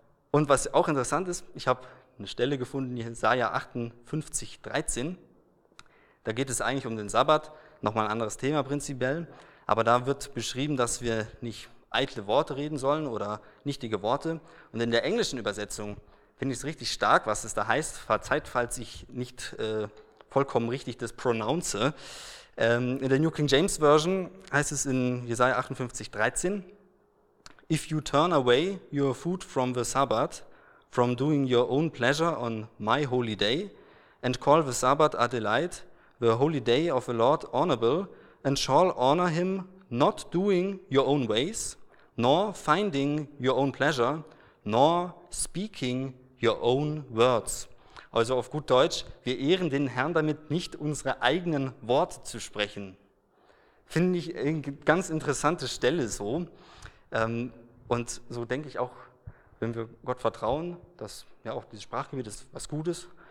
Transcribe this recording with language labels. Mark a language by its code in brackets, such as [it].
[de] Und was auch interessant ist, ich habe eine Stelle gefunden, Jesaja 58, 13, da geht es eigentlich um den Sabbat, nochmal ein anderes Thema prinzipiell, aber da wird beschrieben, dass wir nicht eitle Worte reden sollen oder nichtige Worte. Und in der englischen Übersetzung finde ich es richtig stark, was es da heißt. Verzeiht, falls ich nicht vollkommen richtig das pronounce. In der New King James Version heißt es in Jesaja 58, 13, [en] If you turn away your foot from the Sabbath, from doing your own pleasure on my holy day, and call the Sabbath a delight, the holy day of the Lord honorable, and shall honor him, not doing your own ways, nor finding your own pleasure, nor speaking your own words. [de] Also auf gut Deutsch, wir ehren den Herrn damit, nicht unsere eigenen Worte zu sprechen. Finde ich eine ganz interessante Stelle so. Und so denke ich auch, wenn wir Gott vertrauen, dass ja auch dieses Sprachgebiet ist was Gutes,